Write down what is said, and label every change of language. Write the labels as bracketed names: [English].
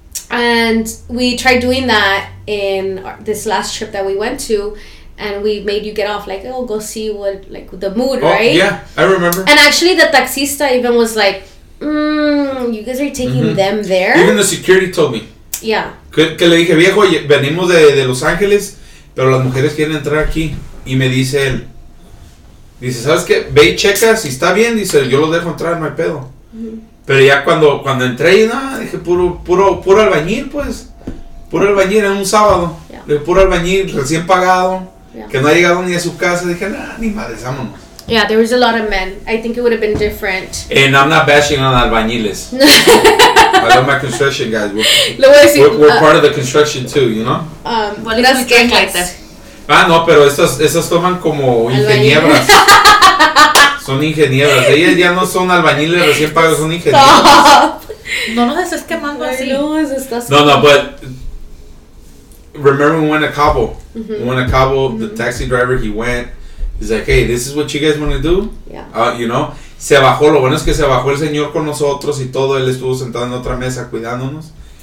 [English] And we tried doing that in this last trip that we went to, and we made you get off, like, oh, go see what, like, the mood, oh, right? Yeah, I remember. And actually, the taxista even was like, you guys are taking mm-hmm. them there? Even the security told me. Yeah. [Spanish] Que le dije, viejo, venimos de Los Ángeles, pero las mujeres quieren entrar aquí. Y me dice él, dice, ¿sabes qué? Ve y checa, si está bien, dice, yo lo dejo entrar, no hay pedo. Mm-hmm. Pero ya cuando entré, no, dije, puro albañil, pues. Puro albañil en un sábado. [English] Yeah. [Spanish] Dije, puro albañil, recién pagado. [English] Yeah. [Spanish] Que no ha llegado ni a su casa. Dije, nah, ni madres, vámonos. [English] Yeah, there was a lot of men. I think it would have been different. And I'm not bashing on albañiles. I love my construction guys. We're part of the construction too, you know? Well, it's not like that. [Spanish] Ah, no, pero esas toman como ingenieras. Son ingenieras. Ellas ya no son albañiles recién pagados, son ingenieras. No, no, estás quemando así. [English] No, but remember when we went to Cabo? Mm-hmm. We went to Cabo, mm-hmm. the taxi driver, he went. He's like, hey, this is what you guys want to do? Yeah. You know? [Spanish] Se bajó. Lo bueno es que se bajó el señor con nosotros y todo. Él estuvo sentado en otra mesa cuidándonos.